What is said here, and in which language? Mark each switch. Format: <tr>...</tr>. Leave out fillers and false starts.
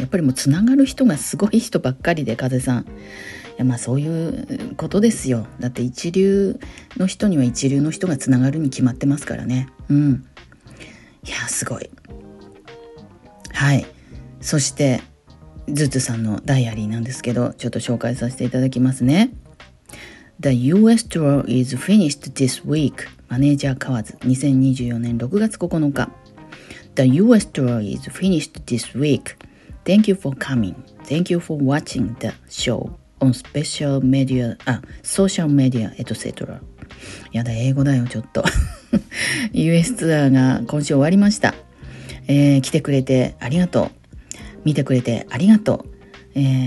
<ja>やっぱりもうつながる人がすごい人ばっかりで、風さん、いや、まあそういうことですよ。だって一流の人には一流の人がつながるに決まってますからね。うん、いやすごい。はい、そしてズズさんのダイアリーなんですけど、ちょっと紹介させていただきますね。</ja> <en>The US tour is finished this week.</en> <ja>マネージャー買わず、2024年6月9日。</ja> <en>The US tour is finished this week. Thank you for coming. Thank you for watching the showスペシャルメディア、ソーシャルメディア、エトセトラ。</en> <ja>やだ、英語だよ、ちょっと。US ツアーが今週終わりました。来てくれてありがとう。見てくれてありがとう。</ja>